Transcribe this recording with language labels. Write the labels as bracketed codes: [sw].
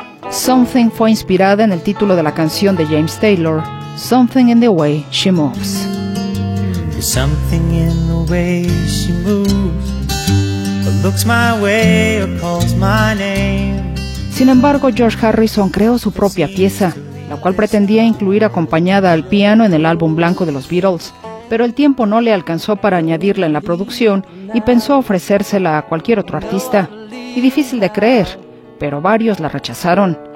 [es] Something fue inspirada en el título de la canción de James Taylor, Something in the Way She Moves. [en] Something in the way she moves, looks my way or calls my name. [es] Sin embargo, George Harrison creó su propia pieza, la cual pretendía incluir acompañada al piano en el álbum blanco de los Beatles, pero el tiempo no le alcanzó para añadirla en la producción y pensó ofrecérsela a cualquier otro artista. Y difícil de creer, pero varios la rechazaron.